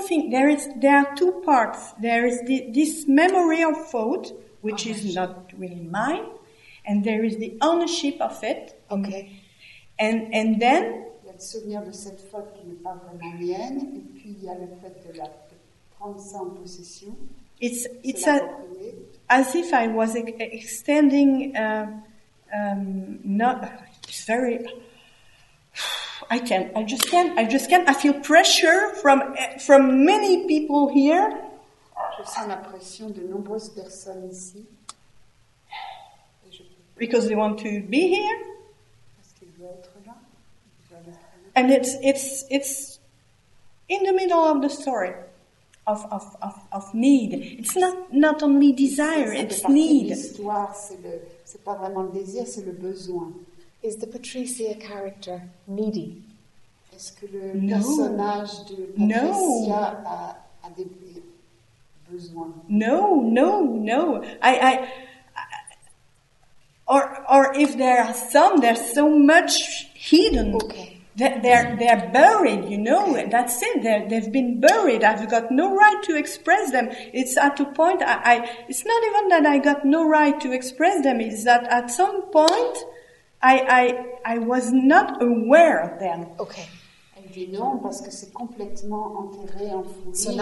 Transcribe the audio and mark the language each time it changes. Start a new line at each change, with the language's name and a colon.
English: There are two parts. There is this memory of thought, which is not really mine, and there is the ownership of it. Okay, and then.
French: Souvenir de cette faute qui n'est pas vraiment mienne, et puis il y a le fait de prendre ça en possession.
English: It's as if I was extending not it's very I just can't I feel pressure from many people here.
French: Je sens la pression de nombreuses personnes ici.
English: Because they want to be here.
French: Parce qu'ils veulent être là.
English: And it's in the middle of the story of need. It's not only desire, it's need.
French: C'est pas vraiment le désir, c'est le besoin.
English: Is the Patricia character needy?
French: Est-ce que le personnage de Patricia a des besoins?
English: No. Or if there are some, there's so much hidden. Okay. They're buried, you know, and that's it. They've been buried. I've got no right to express them. It's at a point, it's not even that I got no right to express them. It's that at some point, I was not aware of them. Okay.
French: Elle dit non, parce que c'est complètement enterré, enfoui.